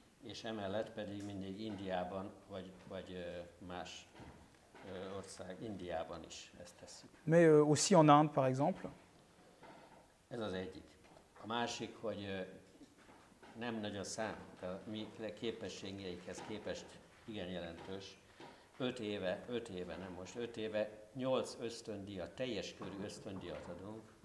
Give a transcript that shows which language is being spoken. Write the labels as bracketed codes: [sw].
[hu] És emellett pedig mindig Indiában vagy más ország Indiában is ezt tesszük. [fr] Mais aussi en Inde, par exemple. [hu] Ez az egyik. A másik, hogy nem nagyon számít, mi képességeinkhez képest igen jelentős. 5 éve, nem most, 5 éve 8 ösztöndíjat, teljes körű ösztöndíjat adunk.